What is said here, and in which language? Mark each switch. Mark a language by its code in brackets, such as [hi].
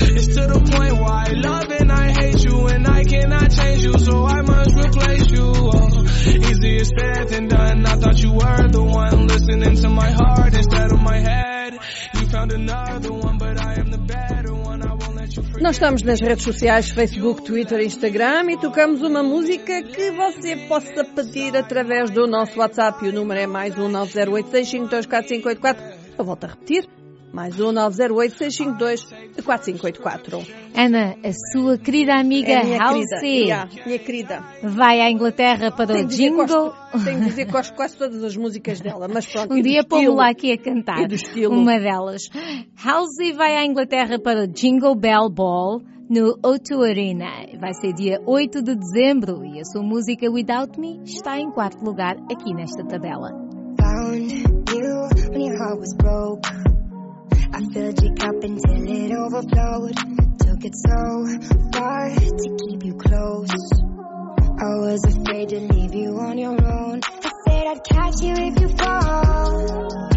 [en] It's to the point where I love and I hate you. And I cannot change you, so I must replace you. Oh, easier said than done. I thought you were the one listening to my heart instead of my head. You found another one, but I am the better one. I won't let you forget. [pt] Nós estamos nas redes sociais, Facebook, Twitter, Instagram, e tocamos uma música que você possa pedir através do nosso WhatsApp. E o número é mais 1908-652-4584. Eu volto a repetir. Mais 1908-652-4584. Ana, a sua querida amiga Halsey. Minha querida. Vai à Inglaterra para o jingle. Tenho de dizer que gosto quase todas as músicas dela, mas pronto. Um dia pô-me lá aqui a cantar uma delas. Halsey vai à Inglaterra para o Jingle Bell Ball no O2 Arena. Vai ser dia 8 de dezembro e a sua música Without Me está em quarto lugar aqui nesta tabela. [en] Found you when your heart was broke. I filled your cup until it overflowed. Took it so far to keep you close. I was afraid to leave you on your own. I said I'd catch you if you fall.